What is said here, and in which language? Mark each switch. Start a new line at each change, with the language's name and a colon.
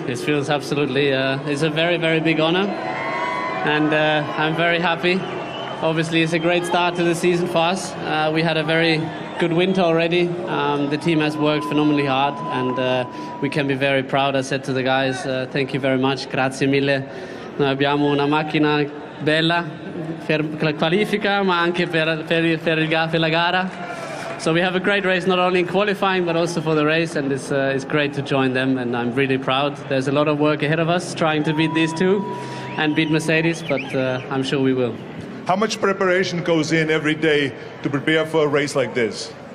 English: It feels absolutely, it's a very, very big honor. And I'm very happy. Obviously, it's a great start to the season for us. We had a very good winter already. The team has worked phenomenally hard and we can be very proud. I said to the guys, thank you very much.
Italian: Grazie mille. Noi abbiamo una macchina bella per la qualifica ma anche per la gara.
English: So we have a great race, not only in qualifying but also for the race, and it's great to join them, and I'm really proud. There's a lot of work ahead of us trying to beat these two and beat Mercedes, but I'm sure we will. How much preparation goes in every day to prepare for a race like this?